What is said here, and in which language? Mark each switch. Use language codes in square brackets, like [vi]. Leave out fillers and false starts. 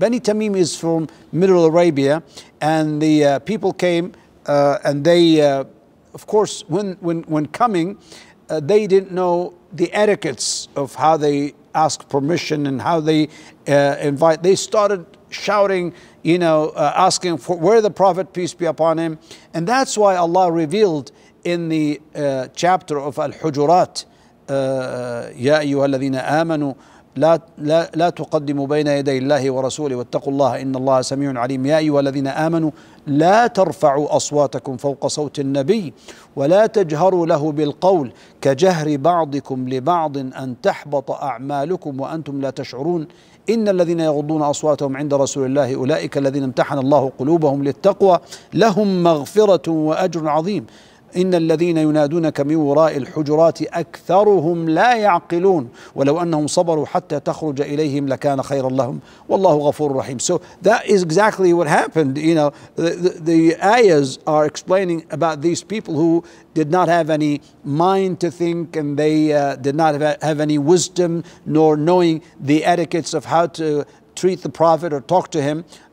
[en] Bani Tamim is from Middle Arabia, and the people came, and they, of course, when coming, they didn't know the etiquettes of how they ask permission and how they invite. They started shouting, asking for where the Prophet, peace be upon him. And that's why Allah revealed in the chapter of Al-Hujurat, [ar] يَا أَيُّهَا الَّذِينَ آمَنُوا لَا تُقَدِّمُوا بَيْنَ يَدَيْ اللَّهِ وَرَسُولِهِ وَاتَّقُوا اللَّهَ إِنَّ اللَّهَ سَمِيعٌ عَلِيمٌ يَا أَيُّهَا الَّذِينَ آمَنُوا لَا تَرْفَعُوا أَصْوَاتَكُمْ فَوْقَ صَوْتِ النَّبِيِّ وَلَا تَجْهَرُوا لَهُ بِالْقَوْلِ كَجَهْرِ بَعْضِكُمْ لِبَعْضٍ أَن تَحْبَطَ أَعْمَالُكُمْ وَأَنْتُمْ لَا تَشْعُرُونَ إن الذين يغضون أصواتهم عند رسول الله أولئك الذين امتحن الله قلوبهم للتقوى لهم مغفرة وأجر عظيم. إن الذين ينادونك من وراء الحجرات أكثرهم لا يعقلون ولو أنهم صبروا حتى تخرج إليهم لكان خيرا لهم والله غفور رحيم. [en] So that is exactly what happened. You know, the ayahs are explaining about these people who did not have any mind to think, and they did not have any wisdom nor knowing the etiquettes of how to treat the Prophet or talk to him.